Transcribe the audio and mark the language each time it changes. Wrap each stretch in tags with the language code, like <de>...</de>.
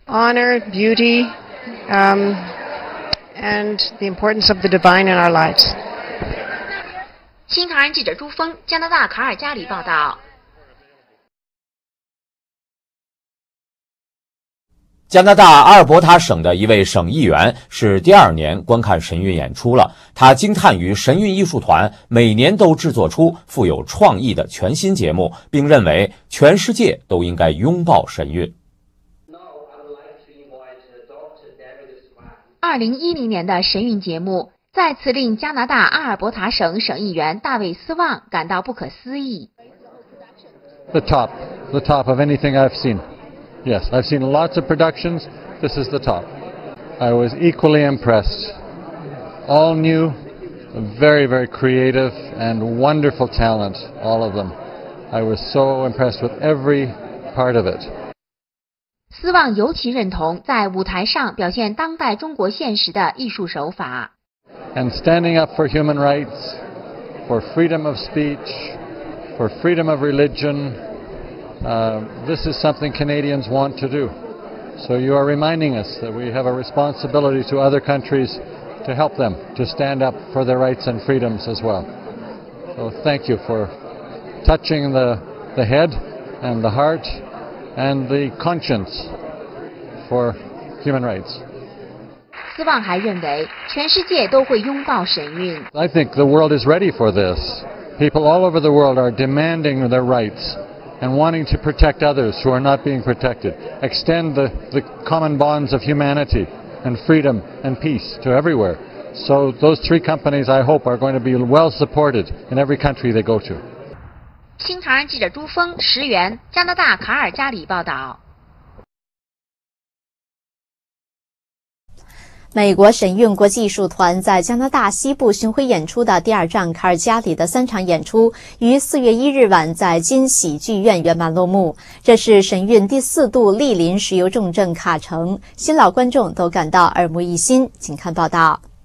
<en>Honor, beauty, and the importance of the divine in our lives.</en> <zh>新唐人记者朱峰，加拿大卡尔加里报道。加拿大阿尔伯塔省的一位省议员是第二年观看神韵演出了，他惊叹于神韵艺术团每年都制作出富有创意的全新节目，并认为全世界都应该拥抱神韵。 2010年的神韵节目再次令加拿大阿尔伯塔省省议员大卫斯旺感到不可思议。</zh> <en>The top of anything I've seenYes, I've seen lots of productions. This is the top. I was equally impressed. All new, very, very creative and wonderful talent, all of them. I was so impressed with every part of it.</en> <zh>斯旺尤其认同在舞台上表现当代中国现实的艺术手法。</zh> <en>And standing up for human rights, for freedom of speech, for freedom of religion,this is something Canadians want to do. So you are reminding us that we have a responsibility to other countries to help them to stand up for their rights and freedoms as well. So thank you for touching the head and the heart and the conscience for human rights.</en> <zh>斯旺还认为全世界都会拥抱神韵。</zh> <en>I think the world is ready for this. People all over the world are demanding their rights. And wanting to protect others who are not being protected, extend the common bonds of humanity and freedom and peace to everywhere. So those three companies, I hope, are going to be well supported in every country they go to.</en> <zh>新唐人记者朱峰、石原，加拿大卡尔加里报道。美国神韵国际艺术团在加拿大西部巡回演出的第二站卡尔加里的三场演出于4月1日晚在金喜剧院圆满落幕，这是神韵第四度莅临石油重镇卡城，新老观众都感到耳目一新，请看报道。</zh>